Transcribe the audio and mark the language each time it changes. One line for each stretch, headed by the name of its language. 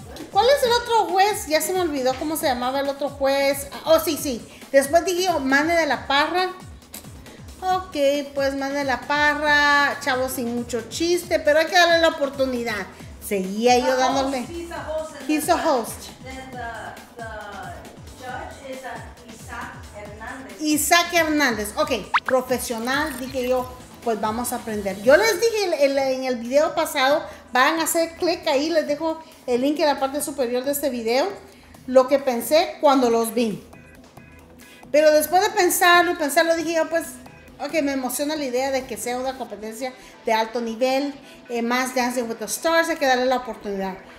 Spanish: ¿Cuál es el otro juez? Ya se me olvidó cómo se llamaba el otro juez. Oh, sí, sí. Después dije, Mane de la Parra. Ok, pues Mane de la Parra, chavo sin mucho chiste, pero hay que darle la oportunidad. Seguía yo dándole.
English: He's a host. Then the judge is Isaac Hernández.
Spanish: Isaac Hernández, ok. Profesional, dije yo, pues vamos a aprender. Yo les dije en el video pasado, van a hacer clic ahí, les dejo el link en la parte superior de este video, lo que pensé cuando los vi. Pero después de pensarlo y pensarlo, dije yo, pues, ok, me emociona la idea de que sea una competencia de alto nivel, más Dancing with the Stars, hay que darle la oportunidad.